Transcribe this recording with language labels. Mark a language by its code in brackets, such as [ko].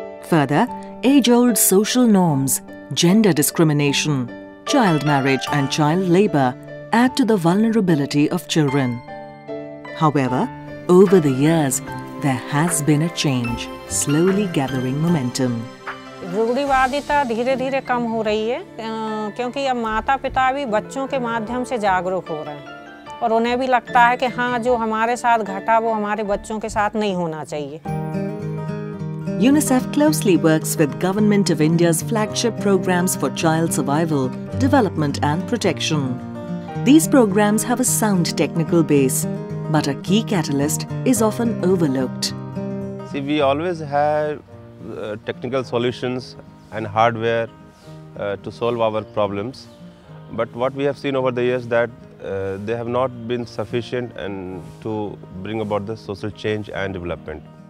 [en] Further, age-old social norms, gender discrimination, child marriage and child labour add to the vulnerability of children. However, over the years, there has been a change, slowly gathering momentum. [hi] रूढ़िवादिता धीरे धीरे कम हो रही है क्योंकि अब माता पिता भी बच्चों के माध्यम से जागरूक हो रहे हैं और उन्हें भी लगता है कि हाँ जो हमारे साथ घटा वो हमारे बच्चों के साथ नहीं होना चाहिए. [en] UNICEF closely works with Government of India's flagship programs for child survival, development and protection. These programs have a sound technical base, but a key catalyst is often overlooked. See, we always have technical solutions and hardware to solve our problems, but what we have seen over the years that they have not been sufficient and to bring about the social change and development.